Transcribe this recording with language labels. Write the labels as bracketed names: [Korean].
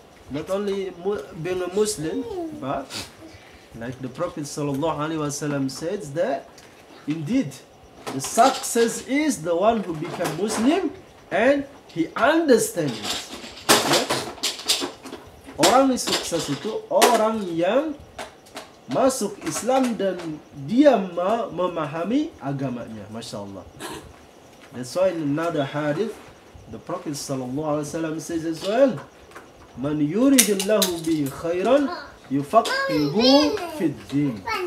[English] Not only being a Muslim, but like the Prophet sallallahu alaihi wasallam says that indeed the success is the one who became Muslim and he understands. [Indonesian] Orang yang sukses itu orang yang masuk Islam dan dia memahami agamanya. Masya Allah. [English] That's why in another hadith, the Prophet sallallahu alaihi wasallam says as well, [Arabic] "Man yuridillahu bi khairan, yufaqihu fid din."